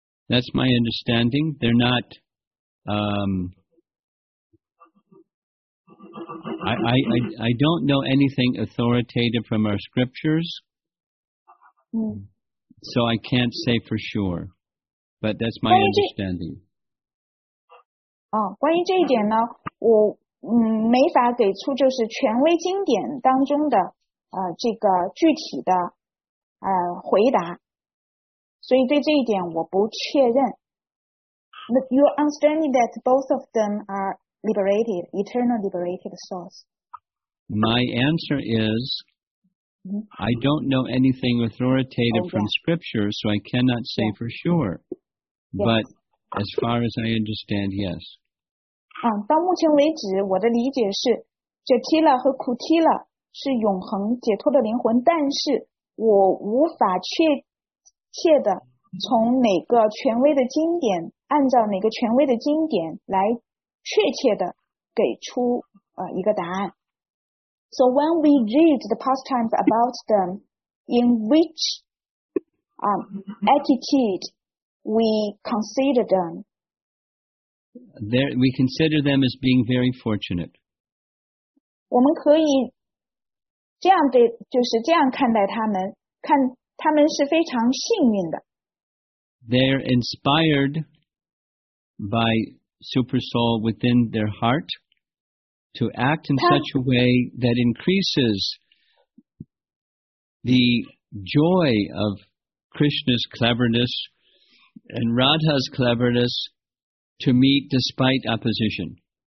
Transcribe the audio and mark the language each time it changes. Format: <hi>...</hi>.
<en>That's my understanding. They're not... I don't know anything authoritative from our scriptures, so I can't say for sure. But that's my understanding.</en> <zh>关于这一点呢，我没法给出就是权威经典当中的这个具体的回答，所以对这一点我不确认。</zh> <en>Your understanding that both of them are liberated, eternal liberated souls. My answer is, mm-hmm. I don't know anything authoritative from scripture, so I cannot say for sure. Yes. But as far as I understand, yes.</en> <zh>到目前为止，我的理解是 ，Jatila 和 Kutila 是永恒解脱的灵魂，但是我无法确切的从哪个权威的经典，按照哪个权威的经典来。确切的给出一个答案。</zh> <en>So when we read the pastimes about them, in which attitude we consider them? There, we consider them as being very fortunate.</en> <zh>我们可以这样对，就是这样看待他们，看他们是非常幸运的。</zh> <en>They're inspired by. Super soul within their heart to act in such a way that increases the joy of Krishna's cleverness and Radha's cleverness to meet despite opposition.</en>